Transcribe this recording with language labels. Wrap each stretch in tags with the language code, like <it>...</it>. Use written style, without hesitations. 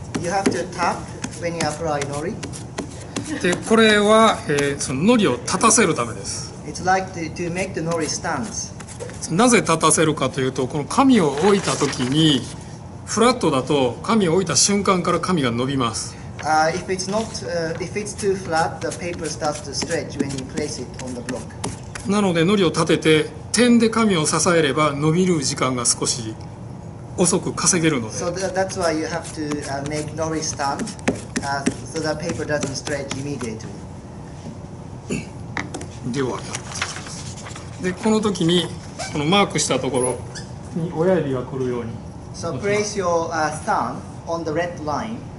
<en>You have to tap when you apply nori.</en> <ja>で、これは、そののりを立たせるためです。</ja> <en>It's like to make the nori stand.</en> <ja>なぜ立たせるかというと、この紙を置いた時にフラットだと紙を置いた瞬間から紙が伸びます。</ja> <en>If it's too flat, the paper starts to stretch when you place it on the block.</en> <ja>なので、のりを立てて点で紙を支えれば伸びる時間が少し遅く稼げるので。</ja> <en>So that's why you have to make nori stand, so that paper doesn't stretch immediately.</en> <ja>では、で、この時にこのマークしたところに親指が来るように。</ja> <en>So place your thumb on the red line.</en>